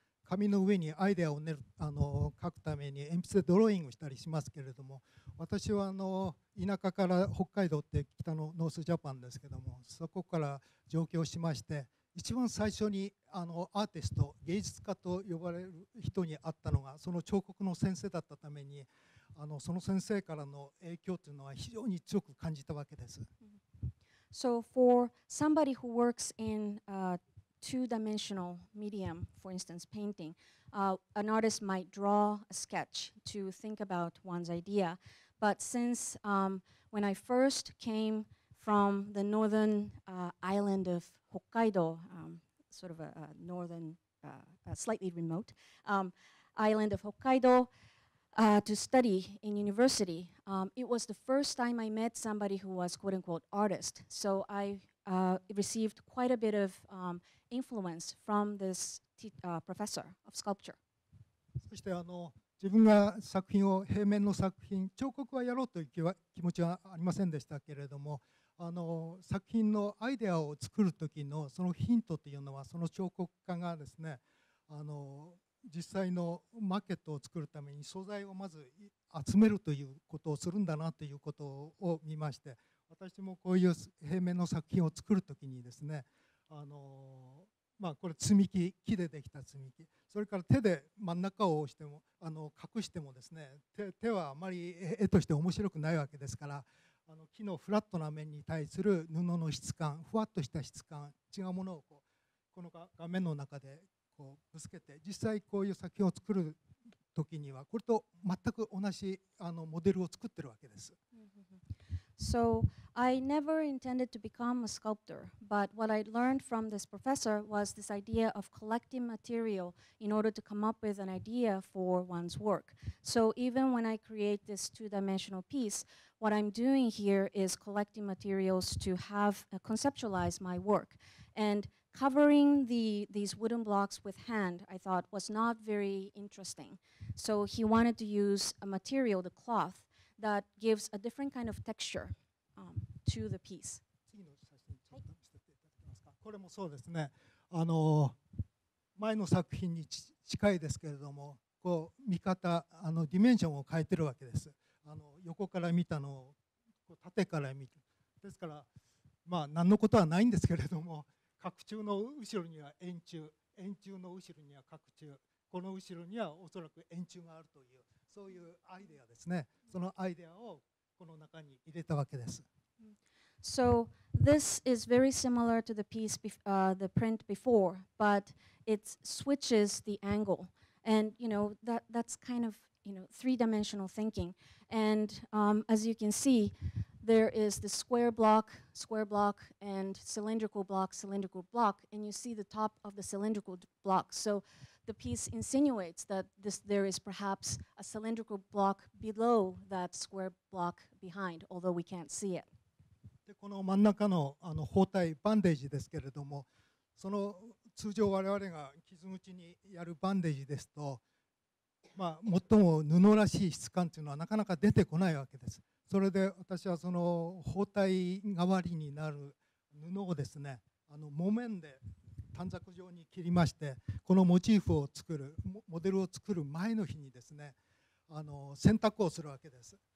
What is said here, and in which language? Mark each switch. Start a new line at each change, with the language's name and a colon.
Japanese: 紙の上にアイデアを描くために鉛筆でドローイングしたりしますけれども、私は田舎から北海道って北のノースジャパンですけども、そこから上京しまして一番最初にあのアーティスト芸術家と呼ばれる人に会ったのがその彫刻の先生だったためにあのその先生からの影響というのは非常に強く感じたわけです。
English: So for somebody who works in a two-dimensional medium, for instance, painting, an artist might draw a sketch to think about one's idea. But since when I first came from the northern island of Hokkaido, sort of a northern, a slightly remote island of Hokkaido, to study in university, it was the first time I met somebody who was quote-unquote artist. So I received quite a bit of influence from this professor of sculpture.
Japanese: そしてあの自分が作品を平面の作品、彫刻はやろうという気持ちはありませんでしたけれども、あの作品のアイデアを作る時のそのヒントというのはその彫刻家がですね、あの実際のマーケットを作るために素材をまず集めるということをするんだなということを見まして、私もこういう平面の作品を作るときにですね、あのまあこれ積み木、木でできた積み木、それから手で真ん中を押してもあの隠してもですね、手はあまり絵として面白くないわけですから、あの木のフラットな面に対する布の質感、ふわっとした質感、違うものをこうこの画面の中でぶつけて実際こういう作品を作るときにはこれと全く同じあのモデルを作ってるわけです。
English: So I never intended to become a sculptor, but what I learned from this professor was this idea of collecting material in order to come up with an idea for one's work. So even when I create this two-dimensional piece, what I'm doing here is collecting materials to have conceptualize my work. And covering these wooden blocks with hand, I thought, was not very interesting. So he wanted to use a material, the cloth, that gives a different kind of texture to the piece.
Japanese: 次の写真ちょっと見せていただけますか。これもそうですね。あの前の作品に近いですけれども、こう見方、あのディメンションを変えてるわけです。あの横から見たのを縦から見る。ですから、まあ何のことはないんですけれども、角柱の後ろには円柱、円柱の後ろには角柱、この後ろにはおそらく円柱があるという、そういうアイデアですね。そのアイデアをこの中に入れたわけです。
English: So this is very similar to the piece, the print before, but it switches the angle. And you know, that's kind of, you know, three-dimensional thinking. And as you can see,there is the square block, and cylindrical block, and you see the top of the cylindrical block. So the piece insinuates that there is perhaps a cylindrical block below that square block behind, although we can't see it.
Japanese: で、この真ん中の、あの包帯、バンデージですけれども、その通常我々が傷口にやるバンデージですと、まあ、最も布らしい質感というのはなかなか出てこないわけです。それで私はその包帯代わりになる布をですね、あの木綿で短冊状に切りまして、このモチーフを作る、モデルを作る前の日にですね、あの洗濯をするわけです。